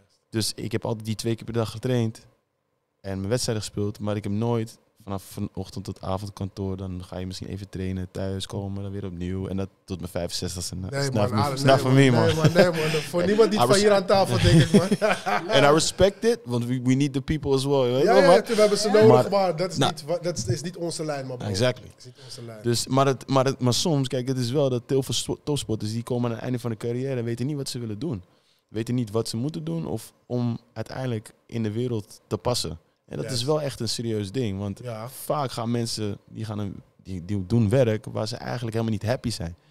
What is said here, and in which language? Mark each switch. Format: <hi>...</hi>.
<nl>Dus ik heb altijd die 2 keer per dag getraind. En mijn wedstrijd gespeeld, maar ik heb nooit vanaf vanochtend tot avond kantoor. Dan ga je misschien even trainen, thuis komen, dan weer opnieuw. En dat tot mijn 65ste. Nee, man. Voor niemand die van hier aan tafel, denk ik, man.</nl> <en>And I respect it, want we need the people as well.</en> <nl>We hebben ze nodig, maar dat is niet onze lijn, man.</nl> <en>Exactly.</en> <nl>Dat is niet onze lijn. Dus, maar soms, kijk, het is wel dat heel veel topsporters die komen aan het einde van de carrière en weten niet wat ze willen doen. Weten niet wat ze moeten doen of om uiteindelijk in de wereld te passen. En dat is wel echt een serieus ding. Want vaak gaan mensen die doen werk waar ze eigenlijk helemaal niet happy zijn.</nl>